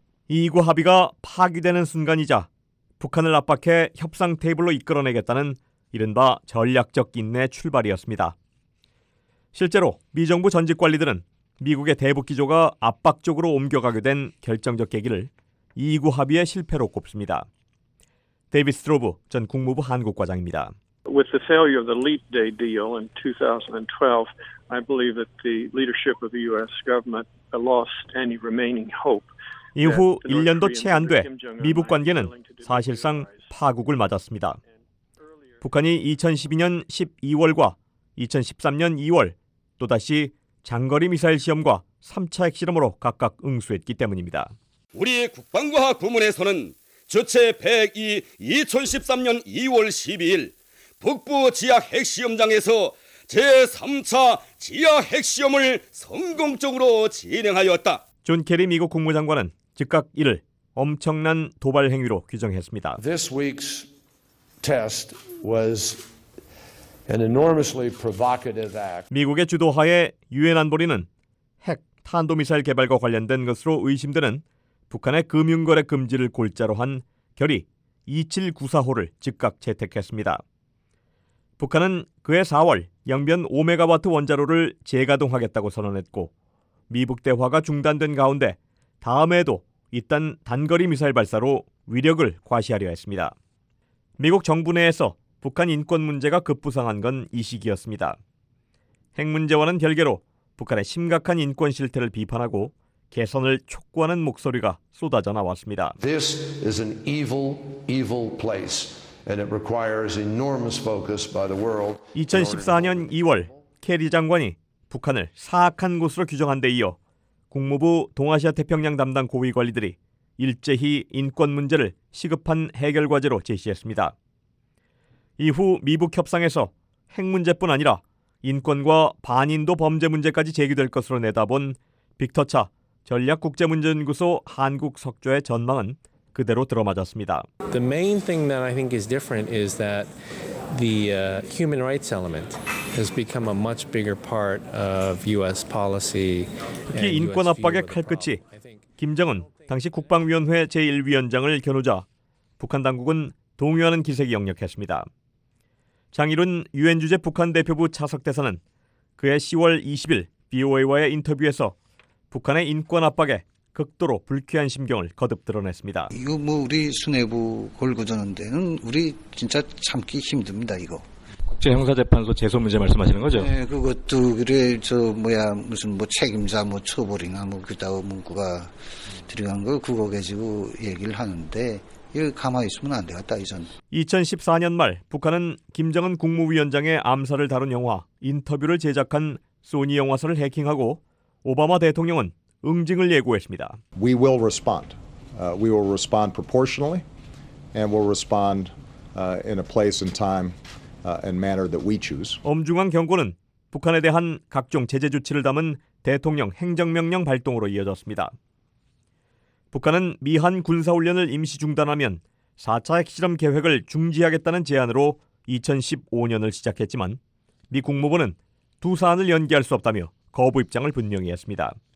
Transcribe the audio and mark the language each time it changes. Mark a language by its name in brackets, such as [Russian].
[Korean] 이구 합의가 파기되는 순간이자 북한을 압박해 협상 테이블로 이끌어내겠다는 이른바 전략적 인내 출발이었습니다. 실제로 미정부 전직 관리들은 미국의 대북 기조가 압박 쪽으로 옮겨가게 된 결정적 계기를 2구 합의의 실패로 꼽습니다. 데이비드 스트로브 전 국무부 한국 과장입니다. [English] With the failure of the Leap Day deal in 2012, I believe that the leadership of the US government lost any remaining hope. [Korean] 이후 1년도 채 안 돼 미북 관계는 사실상 파국을 맞았습니다. 북한이 2012년 12월과 2013년 2월 또다시 장거리 미사일 시험과 3차 핵실험으로 각각 응수했기 때문입니다. 우리 국방과학 부문에서는 주체 102 2013년 2월 12일 북부 지하 핵시험장에서 제3차 지하 핵시험을 성공적으로 진행하였다. 존 케리 미국 국무장관은 즉각 이를 엄청난 도발 행위로 규정했습니다. [English] This week's test was an enormously provocative act. [Korean] 미국의 주도하에 유엔 안보리는 핵 탄도 미사일 개발과 관련된 것으로 의심되는 북한의 금융 거래 금지를 골자로 한 결의 2794호를 즉각 채택했습니다. 북한은 그해 4월 영변 5메가와트 원자로를 재가동하겠다고 선언했고 미북 대화가 중단된 가운데 다음에도 이딴 단거리 미사일 발사로 위력을 과시하려 했습니다. 미국 정부 내에서 북한 인권 문제가 급부상한 건 이 시기였습니다. 핵 문제와는 별개로 북한의 심각한 인권 실태를 비판하고 개선을 촉구하는 목소리가 쏟아져 나왔습니다. [English] This is an evil, evil place. And it requires enormous focus by the world. [Korean] 2014년 2월 캐리 장관이 북한을 사악한 곳으로 규정한 데 이어 국무부 동아시아 태평양 담당 고위 관리들이 일제히 인권 문제를 시급한 해결 과제로 제시했습니다. 이후 미북 협상에서 핵 문제뿐 아니라 인권과 반인도 범죄 문제까지 제기될 것으로 내다본 빅터 차 전략 국제 문제 연구소 한국 석좌의 전망은 그대로 들어맞았습니다. [English] The main thing that I think is different is that the human rights element has become a much bigger part of U.S. policy. [Korean] 특히 인권 압박의 칼끝이 김정은 당시 국방위원회 제1위원장을 겨누자 북한 당국은 동요하는 기색이 역력했습니다. 장일훈 유엔 주재 북한 대표부 차석 대사는 그해 10월 20일 BOA와의 인터뷰에서 북한의 인권 압박에 극도로 불쾌한 심경을 거듭 드러냈습니다. 이거 뭐 우리 수뇌부 골고드는 데는 우리 진짜 참기 힘듭니다, 이거. 국제 형사 재판소 제소 문제 말씀하시는 거죠? 네, 그것도 그래 저 뭐야 무슨 뭐 책임자 뭐 처벌이나 뭐 그다음 문구가 들어간 거 그거 가지고 얘기를 하는데 이거 가만히 있으면 안 되겠다 이전. 2014년 말 북한은 김정은 국무위원장의 암살을 다룬 영화 인터뷰를 제작한 소니 영화사를 해킹하고 오바마 대통령은 응징을 예고했습니다. [English] We will respond. We will respond proportionally and we'll respond in a place and time and manner that we choose. [Korean] 엄중한 경고는 북한에 대한 각종 제재 조치를 담은 대통령 행정명령 발동으로 이어졌습니다. 북한은 미한 군사 훈련을 임시 중단하면 4차 핵실험 계획을 중지하겠다는 제안으로 2015년을 시작했지만 미 국무부는 두 사안을 연계할 수 없다며 거부 입장을 분명히 했습니다.